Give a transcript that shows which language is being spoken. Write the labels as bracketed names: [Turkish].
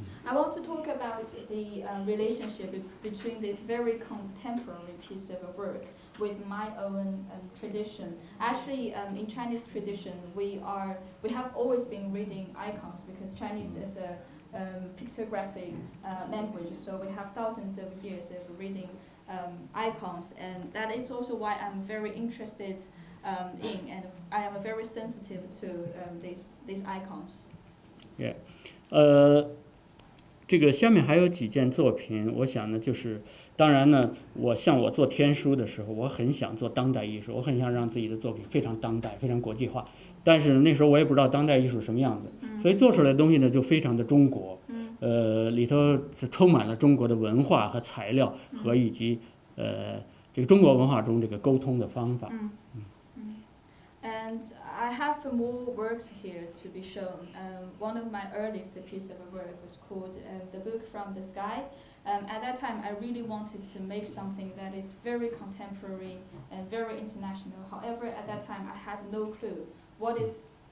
[English] I want to talk about the relationship between this very contemporary piece of work with my own tradition. Actually, in Chinese tradition, we have always been reading icons because Chinese is a pictographic language, so we have thousands of years of reading icons, and that is also why I'm very interested in, and I am very sensitive to these icons. Yeah. [Chinese] 这个下面还有几件作品，我想呢，就是当然呢，我像我做天书的时候，我很想做当代艺术，我很想让自己的作品非常当代，非常国际化。但是那时候我也不知道当代艺术什么样子，所以做出来的东西呢，就非常的中国。里头是充满了中国的文化和材料和以及这个中国文化中这个沟通的方法。 [English] And I have more works here to be shown. One of my earliest pieces of work was called The Book from the Sky. At that time, I really wanted to make something that is very contemporary and very international. However, at that time, I had no clue what is